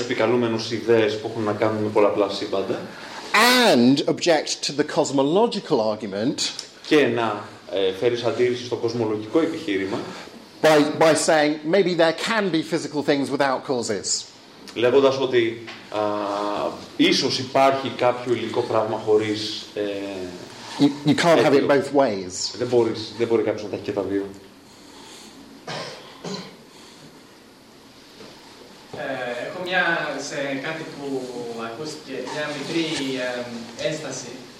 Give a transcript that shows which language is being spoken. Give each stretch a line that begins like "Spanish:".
Greek: Επικαλούμενος ιδέες που έχουν να κάνουν με πολλαπλά σύμπαντα.
English: And object to the cosmological argument.
Greek: Και να φέρεις αντίρρηση στο κοσμολογικό επιχείρημα.
English: By saying maybe there can be physical things without causes.
Greek: Λέγοντας ότι ίσως υπάρχει κάποιο υλικό πράγμα χωρίς
English: You can't have it both ways.
Greek: Δεν μπορεί κάποιος να τα έχει και τα δύο. Έχω μια σε κάτι που ακούστηκε, μια μικρή ένσταση.